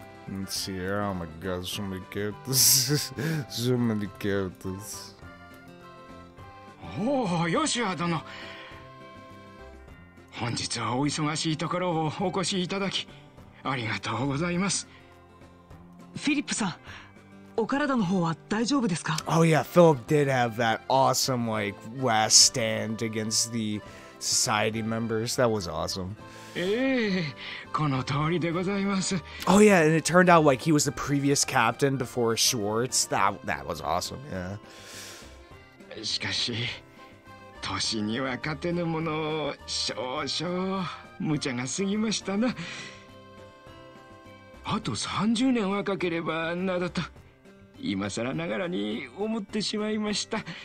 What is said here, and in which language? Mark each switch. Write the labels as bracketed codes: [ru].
[en] Let's see here. Oh my god, so many characters. So many characters. Oh, Yoshua, don't know. [ja] 本日はお忙しいところをお越しいただき、ありがとうございます。フィリップさん、お体の方は大丈夫ですか？ [en] Oh yeah, Philip did have that awesome, like, last stand against the society members. That was awesome. [ja] この通りでございます。 [en] Oh yeah, and it turned out like he was the previous captain before Schwartz. That was awesome, yeah. [ja] しかし、年には勝てぬもの、少々無茶が過ぎましたな。あと30年若ければなどと、今更ながらに思ってしまいました。